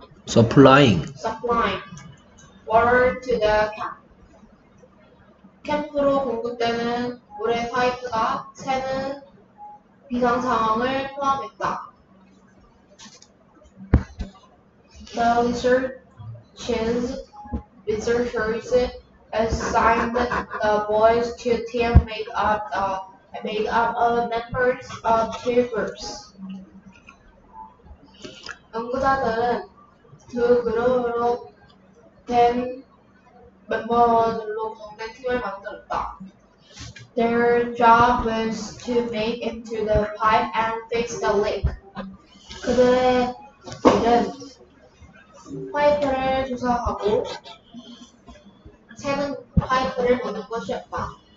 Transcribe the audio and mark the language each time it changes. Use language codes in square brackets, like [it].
[en] 서플라잉 water to the camp. [ko] 캠프로 공급되는 물의 파이프가 새는 비상 상황을 포함했다. [en] The researchers assigned the boys to team made up of members of two groups. [ko] 연구자들은 두 그룹으로 된 멤버들로 구성된 팀을 만들었다. [en] Their job was to make it to the pipe and fix the leak. [ko] 그들의 일은 파이프를 조사하고 새는 파이프를 보는 것이었다.